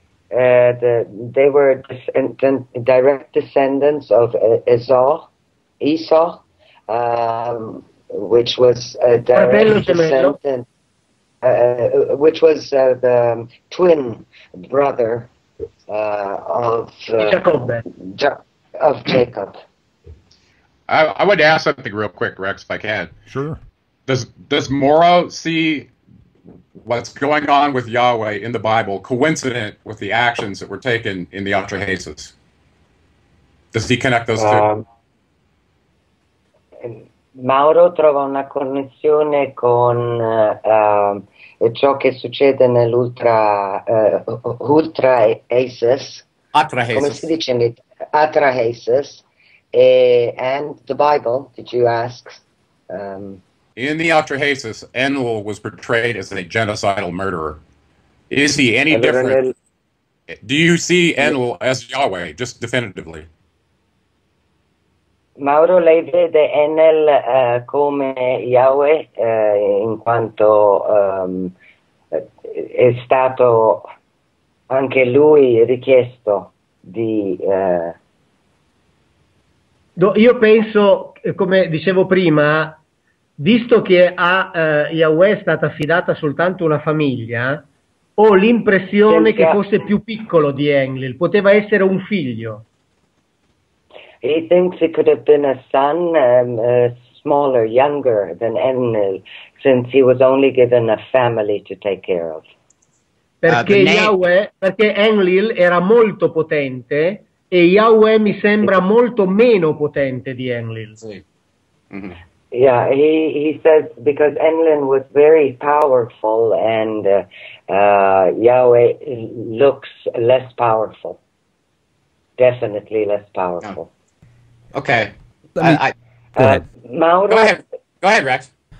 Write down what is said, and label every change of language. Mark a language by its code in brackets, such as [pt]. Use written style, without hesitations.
[en] They were direct descendants of Esau, which was a direct descendant, which was the twin brother of Jacob. I would ask something real quick, Rex, if I can. Sure. Does Mauro see what's going on with Yahweh in the Bible coincident with the actions that were taken in the Atrahasis? Does he connect those two? [it] Mauro trova una connessione con ciò che succede nell'ultra Atrahasis. Come si dice in [en] Atrahasis? And the Bible, did you ask? In the Atrahasis, Enlil was portrayed as a genocidal murderer. Is he any different? Do you see Enlil as Yahweh, just definitively? [it] Mauro, lei vede Enlil come Yahweh in quanto è stato anche lui richiesto di... Io penso, come dicevo prima... Visto che a Yahweh è stata affidata soltanto una famiglia, ho l'impressione che fosse più piccolo di Enlil, poteva essere un figlio. [en] He thinks he could have been a son, smaller, younger than Enlil, since he was only given a family to take care of. [it] Perché Enlil era molto potente e Yahweh mi sembra molto meno potente di Enlil. Sì. Mm-hmm. [en] Yeah, he says because Enlil was very powerful and Yahweh looks less powerful. Definitely less powerful. Okay. Go ahead, Rex.